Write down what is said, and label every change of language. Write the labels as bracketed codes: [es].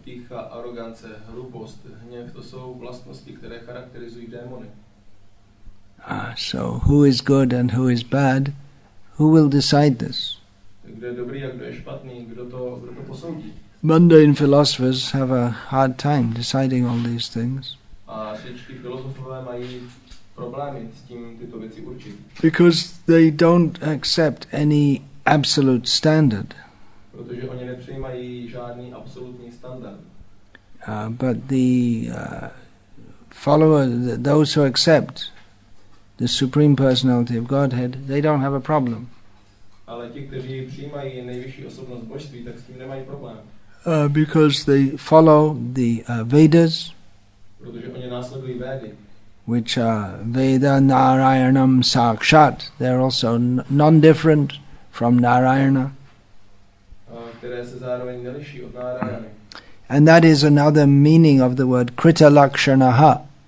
[cs] Arogance, hrubost, hněv, to jsou vlastnosti, které charakterizují démony. [en] So who is good and who is bad? Who will decide this? [cs] Kdo je dobrý a kdo je špatný, kdo to posoudí? [en] Mundane philosophers have a hard time deciding all these things. [cs] A světští filozofové mají problémy s tím tyto věci určit. [en] Because they don't accept any absolute standard. [cs] Protože oni nepřijímají žádný absolutní standard. [en] But the followers, those who accept the Supreme Personality of Godhead, they don't have a problem. [cs] Ale ti, kteří přijímají nejvyšší osobnost božství, tak s tím nemají problém. [en] Because they follow the Vedas, [cs] protože oni následují Vedy, [en] which are Veda Narayanam Sakshat, they're also non-different from Narayana. [cs] Které se zároveň neliší od Narayany. [en] And that is another meaning of the word Krita Lakshanaha.